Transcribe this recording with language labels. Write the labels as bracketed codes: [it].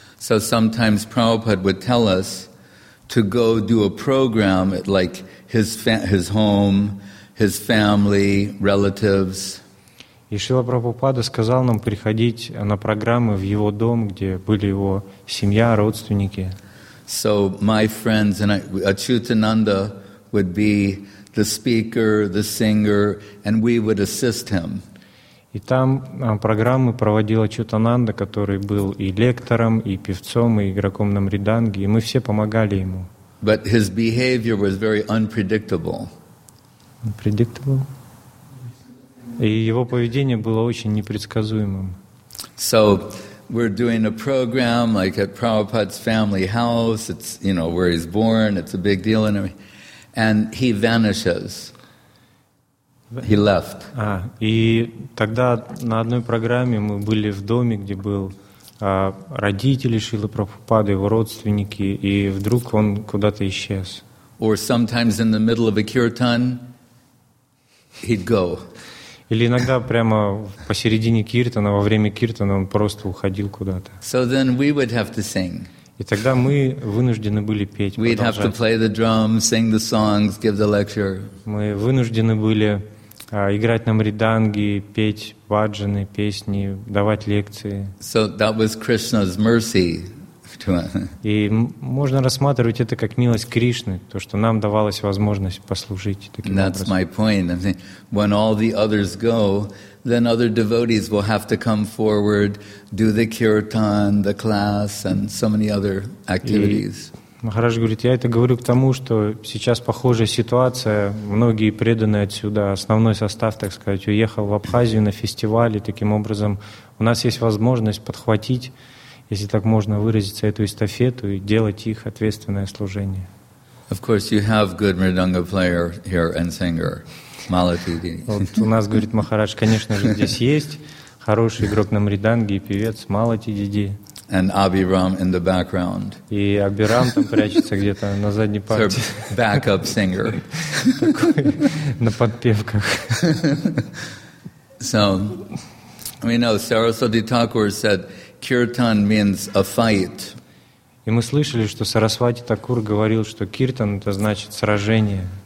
[en] So sometimes Prabhupada would tell us to go do a program at like his home, his family, relatives. [ru] И Шрила Прабхупада сказал нам приходить на программы в его дом, где были его семья, родственники. [en] So my friends and Achyutananda would be the speaker, the singer, and we would assist him. [ru] И там программы проводил Ачютананда, который был и лектором, и певцом, и игроком на мриданге, и мы все помогали ему. [en] But his behavior was very unpredictable. Unpredictable? [ru] И его поведение было очень непредсказуемым. [en] So we're doing a program like at Prabhupada's family house, it's, you know, where he's born, it's a big deal, and he vanishes. He left. [ru] И тогда на одной программе мы были в доме, где был родители Шрилы Прабхупады, его родственники, и вдруг он куда-то исчез. [en] Or sometimes in the middle of a kirtan, he'd go. [ru] Или иногда прямо посередине киртана, во время киртана, он просто уходил куда-то. [en] So then we would have to sing. [ru] И тогда мы вынуждены были петь. [en] We'd have to play the drums, sing the songs, give the lecture. [ru] Мы вынуждены были играть на мриданге, петь баджаны, песни, давать лекции. [en] So that was Krishna's mercy. [ru] И можно рассматривать это как милость Кришны, то, что нам давалась возможность послужить таким образом. [en] That's my point. When all the others go, then other devotees will have to come forward, do the kirtan, the class, and so many other activities. [ru] Махарадж говорит, я это говорю к тому, что сейчас похожая ситуация, многие преданные отсюда, основной состав, так сказать, уехал в Абхазию на фестивале, таким образом у нас есть возможность подхватить, если так можно выразиться, эту эстафету и делать их ответственное служение. [en] Of course, you have good mridanga player here and singer, Malatidi. [ru] Вот у нас, говорит Махарадж, конечно же, здесь есть хороший игрок на мриданге и певец Malatidi. [en] And Abhiram in the background. [ru] И Абирам там прячется где-то на задней партии. [en] Sort of backup singer. [ru] Такой, на подпевках. [en] So, we know Saraswati Thakur said, Kirtan means a fight. [ru] И мы слышали, что Сарасвати Такур говорил, что киртан это значит сражение.